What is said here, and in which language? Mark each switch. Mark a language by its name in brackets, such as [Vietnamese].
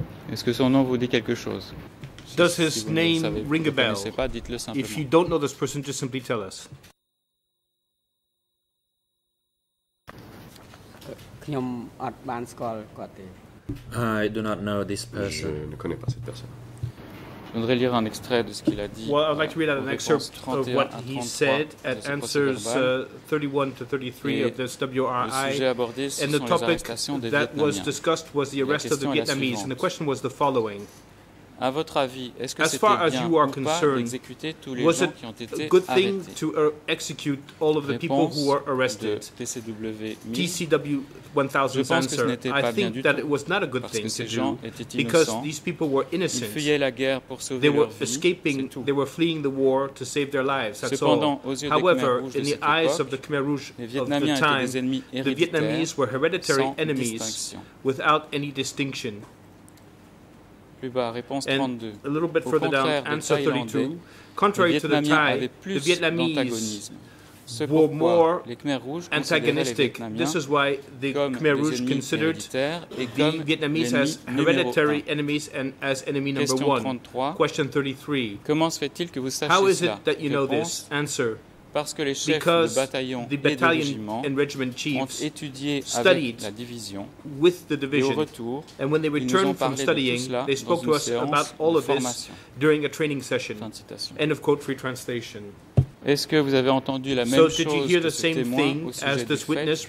[French] Est-ce que son nom vous dit quelque chose? [English] Does his name ring a bell? [French] Pas, dites-le simplement. [English] If you don't know this person, just simply tell us. I do not know this person. [French] Je ne connais pas cette personne. Je voudrais lire un extrait de ce qu'il a dit. [English] Well, I'd like to read out an excerpt of what he said at answers 31 to 33 of this WRI. [French] Le sujet abordé, ce [English] and the topic that was discussed was the arrest of the Vietnamese. And the question was the following. [French] À votre avis, est-ce que d'exécuter tous les gens qui ont été arrêtés? [English] To execute all of the people who were arrested. TCW 1000's answer. I think that it was not a good thing to do because these people were innocent. [French] Ils fuyaient la guerre pour sauver leur vie. [English] They were escaping. They were fleeing the war to save their lives. That's all. However, in the eyes of the Khmer Rouge of the time, the Vietnamese were hereditary enemies without any distinction. [French] Plus bas, réponse 32. [English] And a little bit further down, answer 32. Contrary to the Thai, the Vietnamese were more antagonistic. This is why the Khmer Rouge considered the Vietnamese as hereditary enemies and as enemy number one. Question 33. [French] Comment se fait-il que vous sachiez [English] how is it that you know this? Answer. [French] Parce que les chefs [English] because the battalion and regiment chiefs studied with the division, and when they returned from studying, they spoke to us about all of this during a training session. End of quote, free translation. [French] Est-ce que vous avez entendu la même chose que ce témoin au sujet du fait